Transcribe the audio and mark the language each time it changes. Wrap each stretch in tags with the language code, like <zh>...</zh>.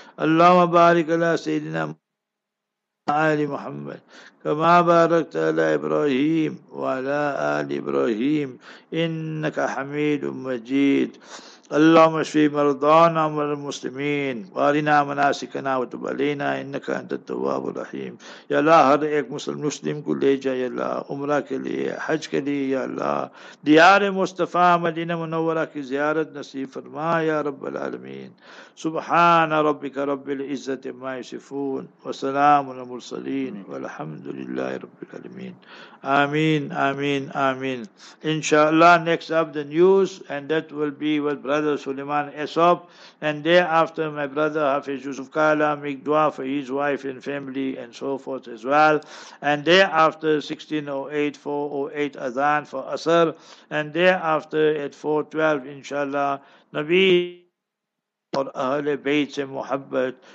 <ar>اللهم بارك على سيدنا آل محمد كما باركت على إبراهيم وعلى آل إبراهيم إنك حميد مجيد. اللهم اشف مرضانا ومرضى المسلمين وارنا مناسكنا وتب علينا انك انت التواب الرحيم.</ar> <ur>يا الله هر ایک مسلم مسلم کو لے جا یا اللہ عمرہ کے لیے حج کے لیے یا اللہ دیار مصطفی مدینہ منورہ کی زیارت نصیب فرما یا رب العالمین.</ur> <ar>سبحان ربك رب العزة ما يصفون وسلام على المرسلين والحمد لله رب العالمين. آمين آمين آمين.</ar> <en>ان شاء الله next up the news, and that will be with brother Suleiman Esop, and thereafter my brother Hafiz Yusuf Kala make dua for his wife and family and so forth as well, and thereafter 16:08 4:08 adhan for Asr, and thereafter at 4:12 inshallah Nabi or Ahle Bayt and Muhabbat.</en>